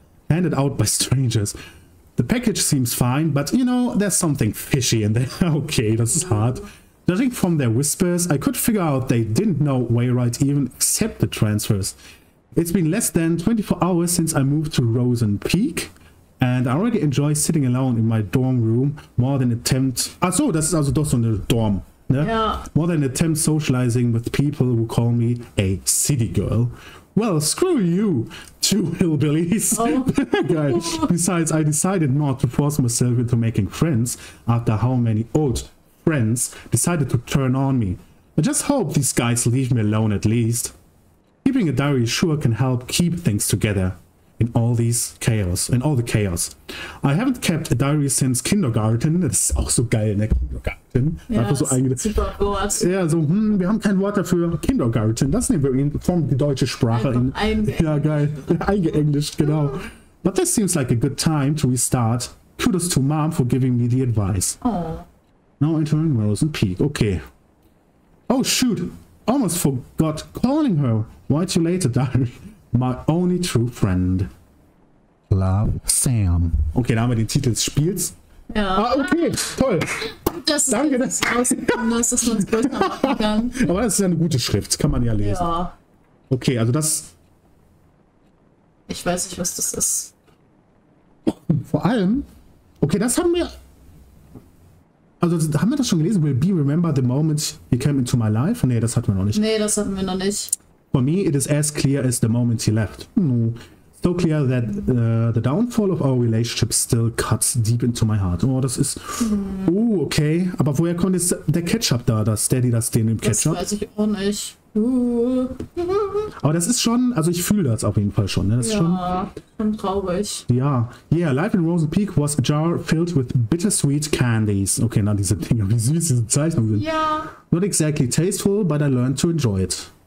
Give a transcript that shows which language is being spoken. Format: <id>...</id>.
<en>Handed out by strangers. The package seems fine, but you know, there's something fishy in there.</en> <de>Okay, das ist hart.</de> <en>Judging from their whispers, I could figure out they didn't know Wayright even accepted the transfers. It's been less than 24 hours since I moved to Rosen Peak, and I already enjoy sitting alone in my dorm room more than attempt.</en> <de>Ach so, das ist also doch so eine Dorm, ne? Ja.</de> <en>More than attempt socializing with people who call me a city girl. Well, screw you, two hillbillies. Oh. Besides, I decided not to force myself into making friends after how many old friends decided to turn on me. I just hope these guys leave me alone at least. Keeping a diary sure can help keep things together in all these chaos, in all the chaos. I haven't kept a diary since kindergarten.</en> <de>Das ist auch so geil, ne?</de> <en>Kindergarten.</en> <de>Ja, einfach so ein super Wort. Ja, so, wir haben kein Wort dafür. Kindergarten, das nehmen wir in Form die deutsche Sprache. Einfach in. Ja, geil. Eingeenglisch, genau.</de> <en>But this seems like a good time to restart. Kudos to Mom for giving me the advice. Oh. Now entering Rosen Peak, okay. Oh, shoot. Almost forgot calling her. Why too late, diary? My only true friend. Love, Sam.</en> <de>Okay, da haben wir den Titel des Spiels. Ja. Ah, okay, toll. Das ist danke, dass du es rausgekommen hast, dass man es größer machen kann. Aber das ist ja eine gute Schrift, kann man ja lesen. Ja. Okay, also das... Ich weiß nicht, was das ist. Vor allem... Okay, das haben wir... Also, haben wir das schon gelesen?</de> <en>Will be remember the moment he came into my life?</en> <de>Nee, das hatten wir noch nicht. Nee, das hatten wir noch nicht.</de> <en>For me, it is as clear as the moment he left. So clear that the downfall of our relationship still cuts deep into my heart.</en> <de>Oh, das ist... Oh, okay. Aber woher kommt jetzt der Ketchup da, das Daddy, das den im Ketchup? Das weiß ich auch nicht. Aber das ist schon... Also ich fühle das auf jeden Fall schon. Ne? Das ja, ist schon traurig.</de> <en>Ja. Yeah, life in Rosen Peak was a jar filled with bittersweet candies.</en> <de>Okay, na diese Dinger, wie süß diese Zeichnungen sind. Ja.</de> <en>Not exactly tasteful, but I learned to enjoy it.</en>